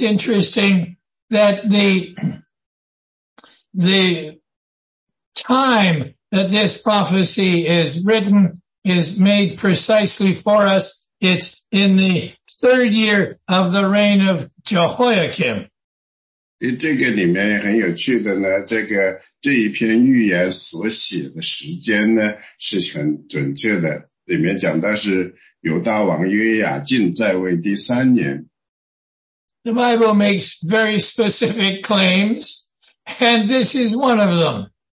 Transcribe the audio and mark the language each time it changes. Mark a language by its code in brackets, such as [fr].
[en] interesting that the time that this prophecy is written is made precisely for us. It's in the third year of the reign of Jehoiakim. [zh] 这个里面很有趣的呢，这个这一篇预言所写的时间呢是很准确的，里面讲到是犹大王约雅敬在位第三年。The [en] Bible makes very specific claims, and this is one of them.